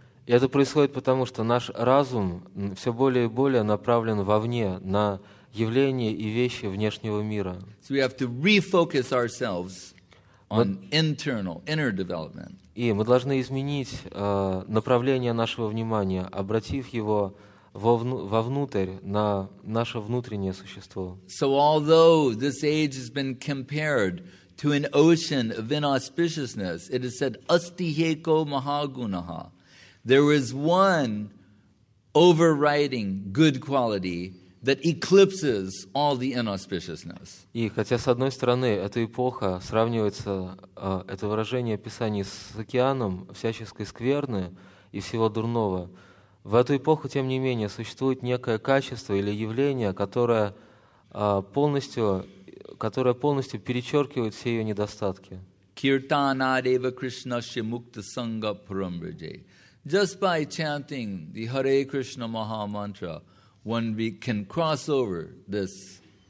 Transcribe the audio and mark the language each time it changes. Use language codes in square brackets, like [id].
[ru] И это происходит потому, что наш разум все более и более направлен вовне, на явления и вещи внешнего мира. [en] So we have to refocus ourselves on internal, inner development. [ru] И мы должны изменить направление нашего внимания, обратив его вовнутрь, на наше внутреннее существо. [en] So although this age has been compared to an ocean of inauspiciousness, it is said, [sa] asti heko mahagunaha. [en] There is one overriding good quality that eclipses all the inauspiciousness. [ru] И хотя, с одной стороны, эта эпоха сравнивается, это выражение Писаний, с океаном всяческой скверны и всего дурного, в эту эпоху, тем не менее, существует некое качество или явление, которое полностью перечеркивает все ее недостатки. [sa] Kirtana Deva Krishna Shimukta Sangha Parambraje. [en] Just by chanting the Hare Krishna Maha Mantra, one can cross over this